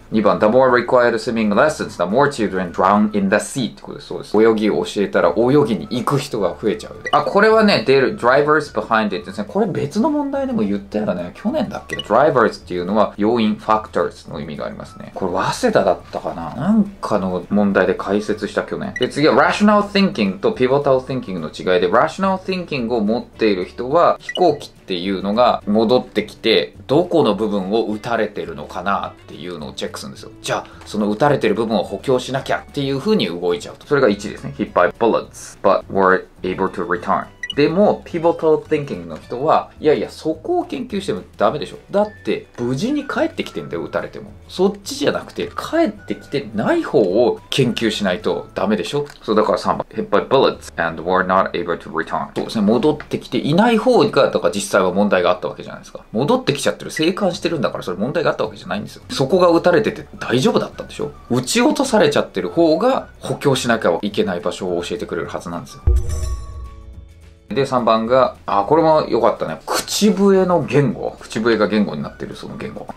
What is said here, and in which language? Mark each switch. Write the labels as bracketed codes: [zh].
[en] 2番、The more required swimming lessons, the more children drown in the sea. [ja] ってことです。そうです。泳ぎを教えたら泳ぎに行く人が増えちゃう。あ、これはね、出る。 [en] Drivers behind it [ja] ですね。これ別の問題でも言ったよね。去年だっけ ?Drivers っていうのは要因 factors の意味がありますね。これ、早稲田だったかな?なんかの問題で解説した去年。で、次は Rational Thinking と Pivotal Thinking の違いで、Rational Thinking を持っている人は飛行機っていうのが戻ってきて、どこの部分を撃たれてるのかなっていうのをチェックするんですよ。じゃあその撃たれてる部分を補強しなきゃっていう風に動いちゃうと、それが1ですね。 [en] Hit by bullets but were able to return。 [ja] でも、pivotal thinking の人は、いやいや、そこを研究してもダメでしょ。だって、無事に帰ってきてんだよ、撃たれても。そっちじゃなくて、帰ってきてない方を研究しないとダメでしょ。そう、だから3番。 [en] hit by bullets and were not able to return。 [ja] そうですね、戻ってきていない方が、だから実際は問題があったわけじゃないですか。戻ってきちゃってる、生還してるんだから、それ問題があったわけじゃないんですよ。そこが撃たれてて大丈夫だったんでしょ。撃ち落とされちゃってる方が、補強しなきゃいけない場所を教えてくれるはずなんですよ。で3番が、あ、これも良かったね。口笛の言語、口笛が言語になってる、その言語。